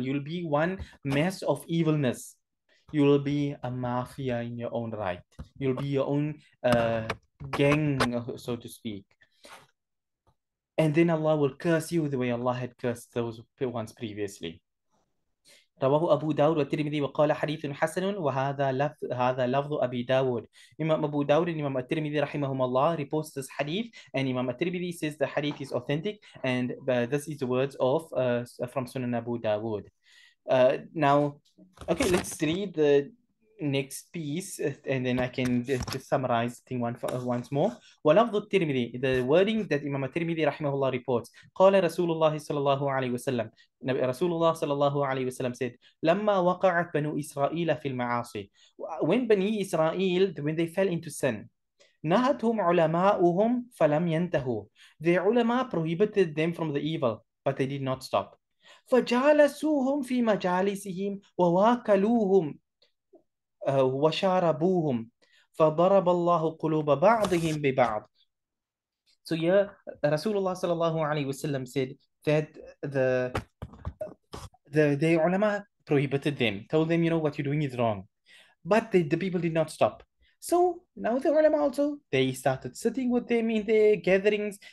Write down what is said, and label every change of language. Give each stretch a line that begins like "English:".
English: You'll be one mass of evilness. You will be a mafia in your own right. You'll be your own gang, so to speak. And then Allah will curse you the way Allah had cursed those ones previously.
Arabic: رواه أبو داود والترمذي وقال حديث حسن وهذا لفظ أبي داود.
English: Imam Abu Dawud and Imam At-Tirmidhi rahimahumullah reports this hadith, and Imam At-Tirmidhi says the hadith is authentic, and this is the words of from Sunan Abu Dawud. Now, okay, let's read the next piece, and then I can just summarize thing once more.
Arabic: ولفظ الترمذي,
English: the wording that Imam At-Tirmidhi rahimahullah reports.
Arabic: قال رسول الله صلى الله عليه وسلم. رسول الله صلى الله عليه وسلم
English: said,
Arabic: لما وقعت بنو إسرائيل في المعاصي.
English: When Bani Israel, when they fell into sin,
Arabic: نهتهم علماؤهم فلم ينتهوا.
English: Their ulama prohibited them from the evil, but they did not stop.
Arabic: فجالسوهم في مجالسهم وواكلوهم وشاربوهم فضرب الله قلوب بعضهم ببعض.
English: So yeah, Rasulullah sallallahu alayhi wasallam said that the ulama prohibited them, told them, you know, what you're doing is wrong. But the people did not stop. So now the ulama also, they started sitting with them in their gatherings.